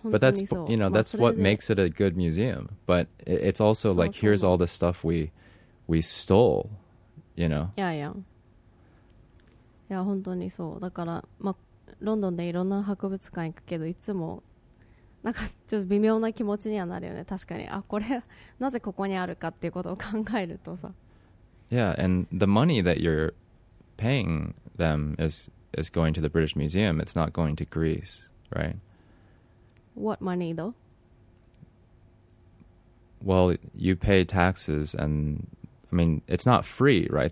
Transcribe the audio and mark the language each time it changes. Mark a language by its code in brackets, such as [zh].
[en] but that's you know that's what makes it a good museum. But it's also like here's all the stuff we stole, you know. Yeah, yeah. Yeah, [ja] 本当にそう。だから、まあ、ロンドンでいろんな博物館行くけどいつもなんかちょっと微妙な気持ちにはなるよね確かにあこれなぜここにあるかっていうことを考えるとさ [en] Yeah, and the money that you're paying them is going to the British Museum It's not going to Greece, right? What money though? Well, you pay taxes and I mean, it's not free, right?